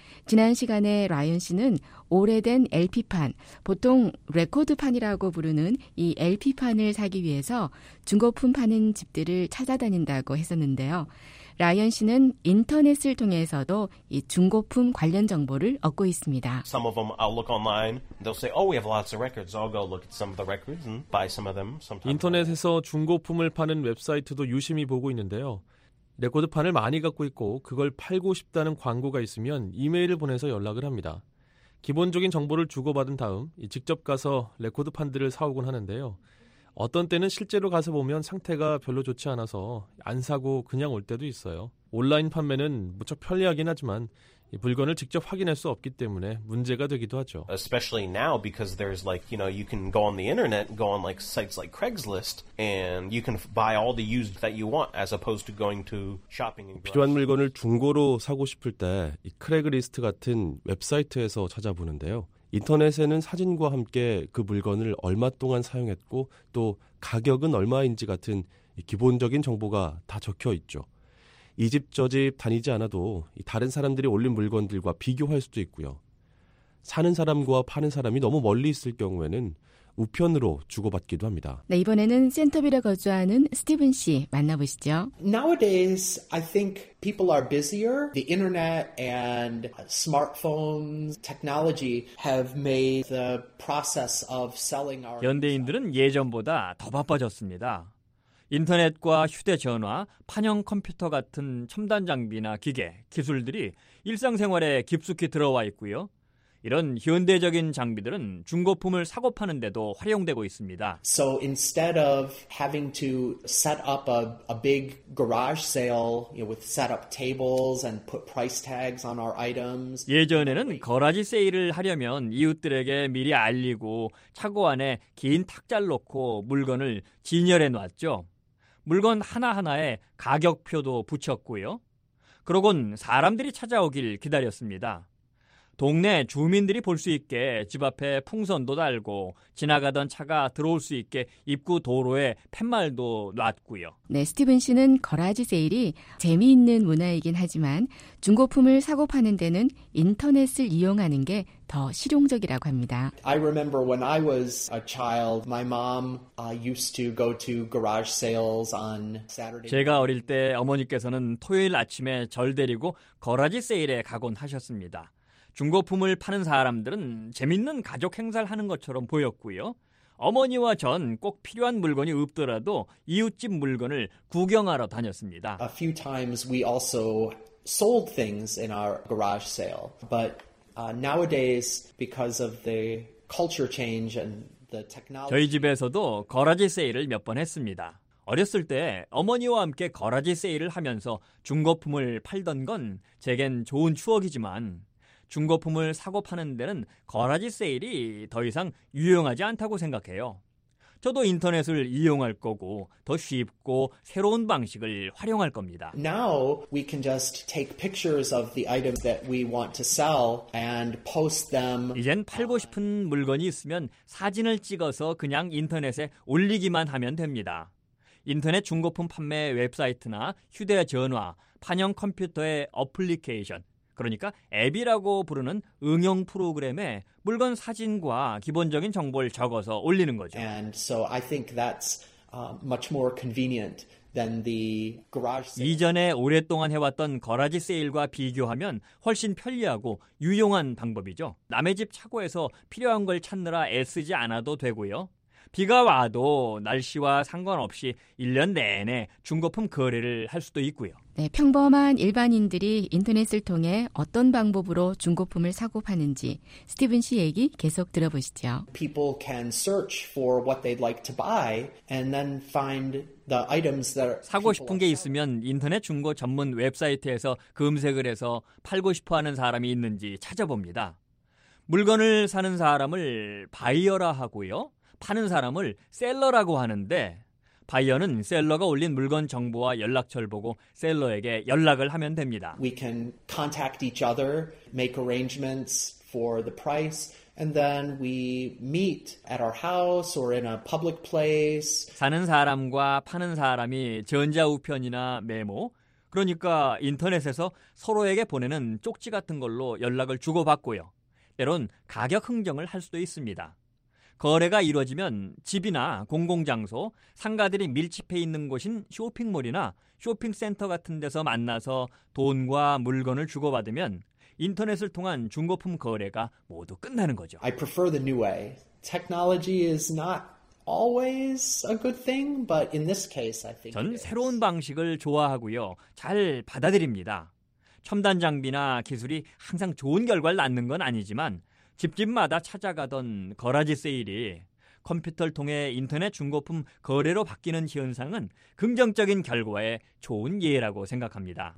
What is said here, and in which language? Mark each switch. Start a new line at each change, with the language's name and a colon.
Korean: 지난 시간에 라이언 씨는 오래된 LP판, 보통 레코드판이라고 부르는 이 LP판을 사기 위해서 중고품 파는 집들을 찾아다닌다고 했었는데요. 라이언 씨는 인터넷을 통해서도 이 중고품 관련 정보를 얻고 있습니다.
English: Some of them I'll look online. They'll say, "Oh, we have lots of records." I'll go look at some of the records and buy some of them.
Korean: 인터넷에서 중고품을 파는 웹사이트도 유심히 보고 있는데요. 레코드판을 많이 갖고 있고 그걸 팔고 싶다는 광고가 있으면 이메일을 보내서 연락을 합니다. 기본적인 정보를 주고받은 다음 직접 가서 레코드판들을 사오곤 하는데요. 어떤 때는 실제로 가서 보면 상태가 별로 좋지 않아서 안 사고 그냥 올 때도 있어요. 온라인 판매는 무척 편리하긴 하지만 이 물건을 직접 확인할 수 없기 때문에 문제가 되기도 하죠.
English: Especially now because there's like, you know, you can go on the internet, go on like sites like Craigslist and you can buy all the used that you want as opposed to going to shopping.
Korean: 필요한 물건을 중고로 사고 싶을 때 이 크래그리스트 같은 웹사이트에서 찾아보는데요. 인터넷에는 사진과 함께 그 물건을 얼마 동안 사용했고 또 가격은 얼마인지 같은 기본적인 정보가 다 적혀 있죠. 이 집 저 집 다니지 않아도 다른 사람들이 올린 물건들과 비교할 수도 있고요. 사는 사람과 파는 사람이 너무 멀리 있을 경우에는 우편으로 주고받기도 합니다. 네, 이번에는 센터빌에 거주하는 스티븐 씨 만나보시죠.
English: Nowadays, I think people are busier. The internet and smartphones technology have made the process of selling our.
Korean: 현대인들은 예전보다 더 바빠졌습니다. 인터넷과 휴대전화, 판형 컴퓨터 같은 첨단 장비나 기계, 기술들이 일상생활에 깊숙이 들어와 있고요. 이런 현대적인 장비들은 중고품을 사고 파는 데도 활용되고 있습니다.
English: So instead of having to set up a big garage sale, you know, with set up tables and put price tags on our items.
Korean: 예전에는 거라지 세일을 하려면 이웃들에게 미리 알리고 차고 안에 긴 탁자를 놓고 물건을 진열해 놨죠. 물건 하나하나에 가격표도 붙였고요. 그러곤 사람들이 찾아오길 기다렸습니다. 동네 주민들이 볼 수 있게 집 앞에 풍선도 달고 지나가던 차가 들어올 수 있게 입구 도로에 팻말도 놨고요. 네, 스티븐 씨는 거라지 세일이 재미있는 문화이긴 하지만 중고품을 사고 파는 데는 인터넷을 이용하는 게 더 실용적이라고 합니다.
English: I remember when I was a child, my mom used to go to garage sales on Saturday.
Korean: 제가 어릴 때 어머니께서는 토요일 아침에 절 데리고 거라지 세일에 가곤 하셨습니다. 중고품을 파는 사람들은 재밌는 가족 행사를 하는 것처럼 보였고요. 어머니와 전 꼭 필요한 물건이 없더라도 이웃집 물건을 구경하러 다녔습니다.
English: A few times we also sold things in our garage sale. But nowadays, because of the culture change and the technology.
Korean: 저희 집에서도 거라지 세일을 몇 번 했습니다. 어렸을 때 어머니와 함께 거라지 세일을 하면서 중고품을 팔던 건 제겐 좋은 추억이지만 중고품을 사고 파는 데는 거라지 세일이 더 이상 유용하지 않다고 생각해요. 저도 인터넷을 이용할 거고 더 쉽고 새로운 방식을 활용할 겁니다.
English: Now we can just take pictures of the items that we want to sell and post them.
Korean: 이젠 팔고 싶은 물건이 있으면 사진을 찍어서 그냥 인터넷에 올리기만 하면 됩니다. 인터넷 중고품 판매 웹사이트나 휴대전화, 판형 컴퓨터의 어플리케이션, 그러니까 앱이라고 부르는 응용 프로그램에 물건 사진과 기본적인 정보를 적어서 올리는 거죠.
English: And so I think that's much more convenient than the garage sale.
Korean: 이전에 오랫동안 해왔던 거라지 세일과 비교하면 훨씬 편리하고 유용한 방법이죠. 남의 집 차고에서 필요한 걸 찾느라 애쓰지 않아도 되고요. 비가 와도 날씨와 상관없이 1년 내내 중고품 거래를 할 수도 있고요. 네, 평범한 일반인들이 인터넷을 통해 어떤 방법으로 중고품을 사고 파는지 스티븐 씨 얘기 계속 들어보시죠.
English: People can search for what they'd like to buy and then find the items that are
Korean: 사고 싶은 게 있으면 인터넷 중고 전문 웹사이트에서 검색을 해서 팔고 싶어 하는 사람이 있는지 찾아봅니다. 물건을 사는 사람을 바이어라 하고요. 파는 사람을 셀러라고 하는데 바이어는 셀러가 올린 물건 정보와 연락처를 보고 셀러에게 연락을 하면 됩니다.
English: We can contact each other, make arrangements for the price, and then we meet at our house or in a public place.
Korean: 사는 사람과 파는 사람이 전자우편이나 메모, 그러니까 인터넷에서 서로에게 보내는 쪽지 같은 걸로 연락을 주고받고요. 때론 가격 흥정을 할 수도 있습니다. 거래가 이루어지면 집이나 공공장소, 상가들이 밀집해 있는 곳인 쇼핑몰이나 쇼핑센터 같은 데서 만나서 돈과 물건을 주고받으면 인터넷을 통한 중고품 거래가 모두 끝나는 거죠.
English: I prefer the new way. Technology is not always a good thing, but in this case, I think
Korean: 전 새로운 방식을 좋아하고요. 잘 받아들입니다. 첨단 장비나 기술이 항상 좋은 결과를 낳는 건 아니지만 집집마다 찾아가던 거라지 세일이 컴퓨터를 통해 인터넷 중고품 거래로 바뀌는 현상은 긍정적인 결과에 좋은 예라고 생각합니다.